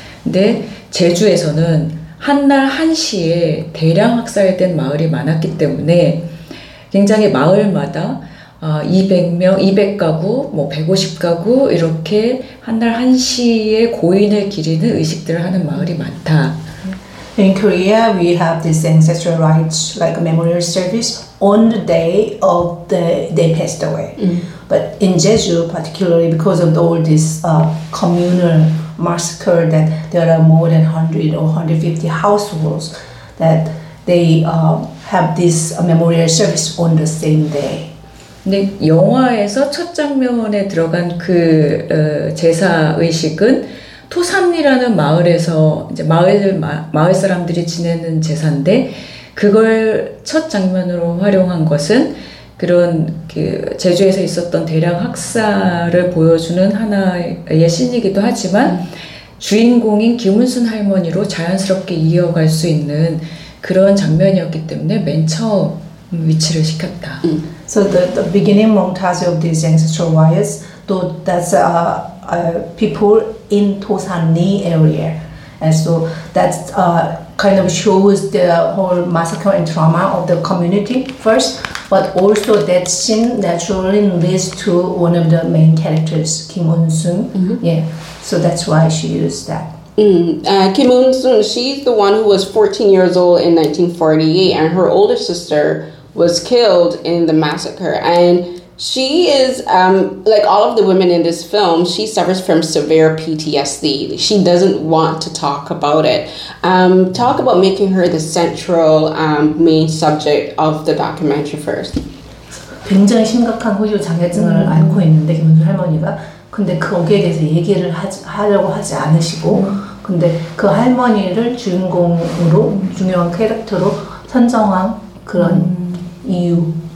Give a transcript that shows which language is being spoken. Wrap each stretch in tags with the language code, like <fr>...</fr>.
<ko>근데 제주에서는 한날 한시에 대량 학살된 마을이 많았기 때문에 굉장히 마을마다 200명, 200가구, 뭐 150가구 이렇게 한날 한시에 고인을 기리는 의식들을 하는 마을이 많다.</ko> <en>In Korea, we have this ancestral rites, like a memorial service, on the day of they passed away. Mm. But in Jeju, particularly because of all this communal massacre, that there are more than 100 or 150 households, that they have this memorial service on the same day.</en> <ko>근데 영화에서 첫 장면에 들어간 그 제사 의식은 토산이라는 마을에서 이제 마을 사람들이 지내는 제사인데 그걸 첫 장면으로 활용한 것은 그런 그 제주에서 있었던 대량 학살을 보여주는 하나의 신이기도 하지만 주인공인 김은순 할머니로 자연스럽게 이어갈 수 있는 그런 장면이었기 때문에 맨 처음 위치를 시켰다.</ko> <en>So the beginning montage of these ancestral riots, that's people in Tosani area, and so that kind of shows the whole massacre and trauma of the community first, but also that scene naturally leads to one of the main characters, Kim Eun-sung. Mm-hmm. Yeah, so that's why she used that. Kim Eun-sung, she's the one who was 14 years old in 1948, and her older sister was killed in the massacre. And she is, like all of the women in this film, she suffers from severe PTSD. She doesn't want to talk about it. Talk about making her the central main subject of the documentary first.</en> <ko>굉장히 심각한 후유 장애증을 앓고 있는데 김은수 할머니가 근데 거기에 대해서 얘기를 하려고 하지 않으시고 근데 그 할머니를 주인공으로 중요한 캐릭터로 선정한 그런 이유.</ko>